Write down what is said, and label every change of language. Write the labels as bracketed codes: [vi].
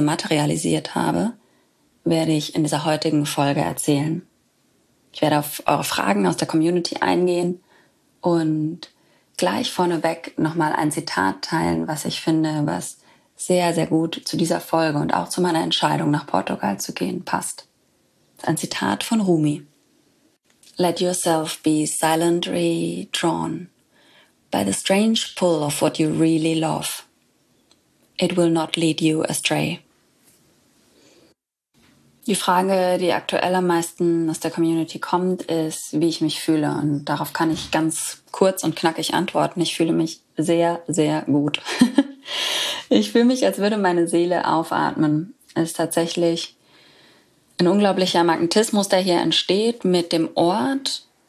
[de] materialisiert habe, werde ich in dieser heutigen Folge erzählen. Ich werde auf eure Fragen aus der Community eingehen und gleich vorneweg nochmal ein Zitat teilen, was ich finde, was sehr, sehr gut zu dieser Folge und auch zu meiner Entscheidung, nach Portugal zu gehen, passt. Ein Zitat von Rumi. [en] Let yourself be silently drawn by the strange pull of what you really love. It will not lead you astray. [de] Die Frage, die aktuell am meisten aus der Community kommt, ist, wie ich mich fühle. Und darauf kann ich ganz kurz und knackig antworten. Ich fühle mich sehr, sehr gut. Ich fühle mich, als würde meine Seele aufatmen. Es ist tatsächlich ein unglaublicher Magnetismus, der hier entsteht mit dem Ort.